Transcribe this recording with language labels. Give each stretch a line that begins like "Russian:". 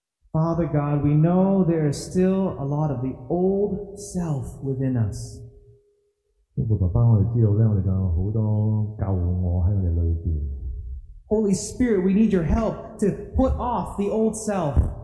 English: Father God, we know there is still a lot of the old self within us.
Chinese: 天父爸爸，我们知道，我们有很多旧我在我们里面。
English: Holy Spirit, we need your help to put off the old self.